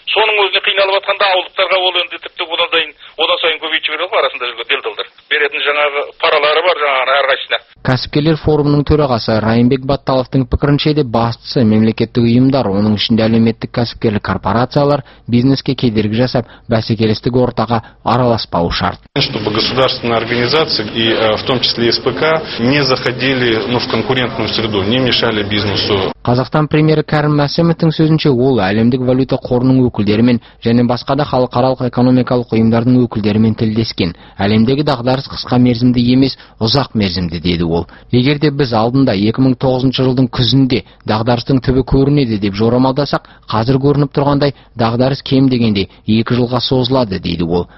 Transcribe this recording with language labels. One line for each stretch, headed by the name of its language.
Kazakh: Соның өзіне қиналып атқанда ауылдықтарға ол енді тіпті одан дайын, одан сайын көбейіп жібереді ғой арасында делдалдар. Беретін жаңағы паралары бар жаңағы әрқайсына. Кәсіпкерлер форумының төрағасы Райымбек Батталовтың пікірінше де бастысы мемлекеттік ұйымдар, оның ішінде әлеуметтік кәсіпкерлік корпорациялар бизнеске кедергі жасап, бәсекелестік ортаға араласпауы шарт.
Russian: Чтобы государственные организации и в том числе СПК не заходили в конкурентную среду, не мешали бизнесу.
Kazakh: Қазақстан премьері Кәрім Мәсімовтің сөзінше, ол әлемдік валюта қорының өкілдерімен және басқа да халықаралық экономикалық ұйымдардың өкілдерімен тілдескен. Әлемдегі дағдарыс қысқа мерзімді емес, ұзақ мерзімді деді ол. Егер де біз алдында 2009 жылдың күзінде дағдарыстың түбі көрінеді деп жорамалдасақ, қазір көрініп тұрғандай дағдарыс кем дегенде 2 жылға созылады деді ол.